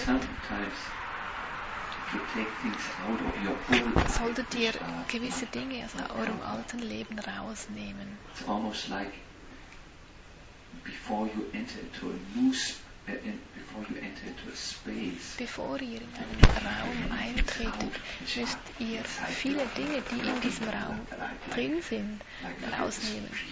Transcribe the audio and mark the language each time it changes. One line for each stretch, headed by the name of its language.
English: sometimes you take things out of your old life,
German: solltet ihr gewisse Dinge aus eurem alten Leben rausnehmen.
English: It's almost like before you enter into a new before you enter into a space,
German: bevor ihr in einen Raum eintretet, müsst ihr viele Dinge, die in diesem Raum drin sind, rausnehmen.